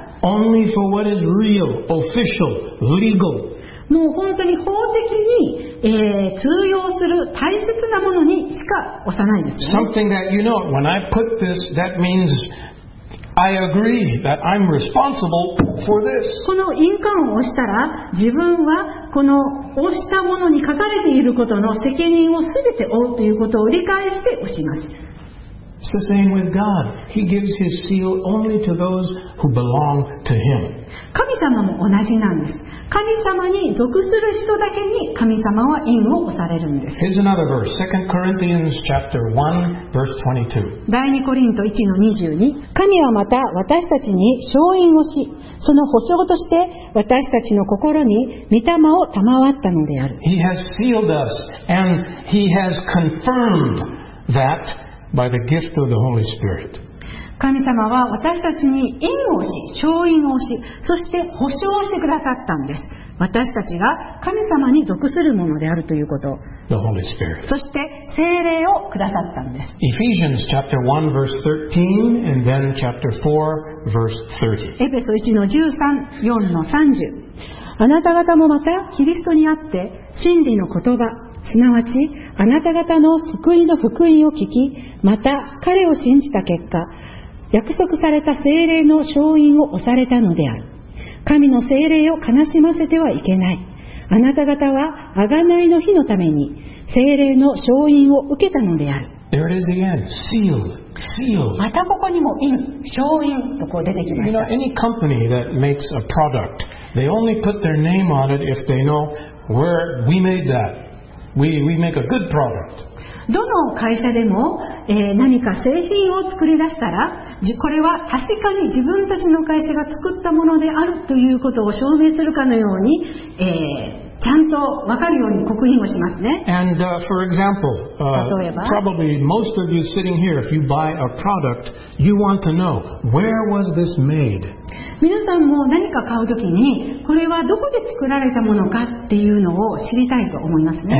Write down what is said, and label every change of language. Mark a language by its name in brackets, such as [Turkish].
[English] Only for what is real, official, legal. [Japanese] もう本当に法的に、通用する大切なものにしか押さないんですね。 [English] Something that you know, when I put this, that means. I agree that I'm responsible for this. [Japanese] この印鑑を押したら、自分はこの押したものに書かれていることの責任をすべて負うということを理解して押します。 [English] It's the same with God. He gives His seal only to those who belong to Him. [Japanese] 神様も同じなんです。神様に属する人だけに神様は印を押されるんです。 [English] Here's another verse, 2 Corinthians chapter 1, verse 22. [Japanese] 第2コリント1の22。神はまた私たちに証印をし、その保証として私たちの心に御霊を賜ったのである。 [English] He has sealed us and he has confirmed that by the gift of the Holy Spirit. [Japanese] 神様は私たちに印をし、証印をし、そして保証をしてくださったんです。私たちが神様に属するものであるということ。 [English] The Holy Spirit. [Japanese] そして聖霊をくださったんです。 [English] Ephesians chapter 1 verse 13 and then chapter 4 verse 30. [Japanese] エペソ1の13、4の30。あなた方もまたキリストにあって真理の言葉、すなわちあなた方の救いの福音を聞き、また彼を信じた結果、約束された聖霊の証印を押されたのである。神の聖霊を悲しませてはいけない。あなた方は贖いの日のために聖霊の証印を受けたのである。 [English] There it is again. Sealed. Sealed. [Japanese] またここにも印、証印とこう出てきました。 [English] You know, any company that makes a product, they only put their name on it if they know where we made that. We make a good product. [Japanese] どの会社でも、何か製品を作り出したら、これは確かに自分たちの会社が作ったものであるということを証明するかのように、ちゃんと分かるように刻印をしますね。 [English] And, for example, 例えば、probably most of you sitting here, if you buy a product, you want to know, where was this made? [Japanese] 皆さんも何か買うときにこれはどこで作られたものかっていうのを知りたいと思いますね。